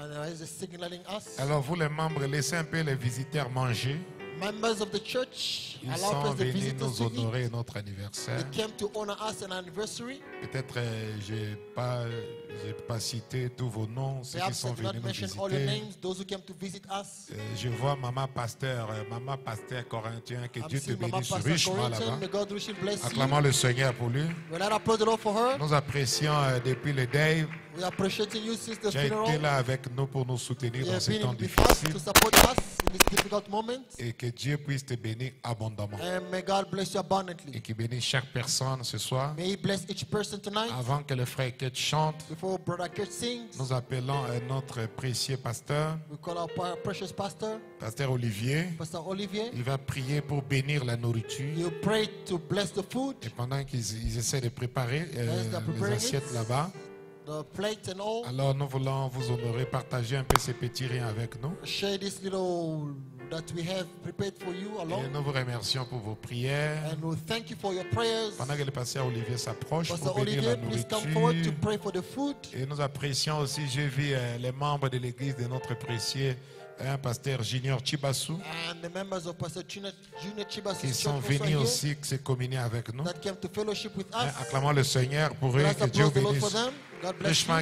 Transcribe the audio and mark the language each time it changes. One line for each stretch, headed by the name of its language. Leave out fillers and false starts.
English: Us.
French: Alors vous les membres, laissez un peu les visiteurs manger.
English: Members of the church,
French: ils sont venus nous honorer notre anniversaire.
English: They came to honor us an anniversary.
French: Peut-être j'ai pas cité tous vos noms, ceux
English: perhaps
French: qui sont venus nous visiter.
English: All your names, those who came to visit us.
French: Je vois maman pasteur corinthien, que I'm Dieu te bénisse richement là-bas. Acclamons le Seigneur pour lui. Nous apprécions depuis le day.
English: We are appreciating you since the funeral.
French: Tu es là avec nous pour nous soutenir dans ces temps difficiles.
English: To support us in this difficult moment.
French: Et que Dieu puisse te bénir abondamment.
English: And may God bless you abundantly.
French: Et qu'il bénisse chaque personne ce soir.
English: May He bless each person tonight.
French: Avant que le frère Kate chante,
English: before Brother Kate sings,
French: nous appelons notre précieux pasteur.
English: We call our precious pastor.
French: Pasteur Olivier.
English: Pastor Olivier.
French: Il va prier pour bénir la nourriture.
English: He'll pray to bless the food.
French: Et pendant qu'ils essaient de préparer les assiettes là-bas.
English: The plate and all.
French: Alors nous voulons vous honorer, partager un peu ces petits riens avec nous.
English: Share this little that we have prepared for you alone.
French: Et nous vous remercions pour vos prières.
English: And we thank you for your prayers.
French: Pendant que le pasteur Olivier s'approche
English: pastor
French: pour Olivier, bénir la nourriture.
English: Pastor Olivier, please come forward to pray for the food.
French: Et nous apprécions aussi, j'ai vu les membres de l'église de notre précieux pasteur Junior Chibasu.
English: And the members of Pastor Junior Chibasu.
French: Qui sont venus aussi se communier avec nous.
English: That came to fellowship with us.
French: Acclamons le Seigneur pour eux, que Dieu bénisse. Richement,